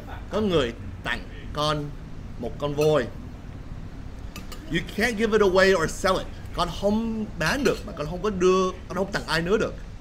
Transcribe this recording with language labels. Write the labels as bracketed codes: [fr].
[vi] Có người tặng con một con voi. [en] You can't give it away or sell it. [vi] Con không bán được mà con không có đưa, con không tặng ai nữa được.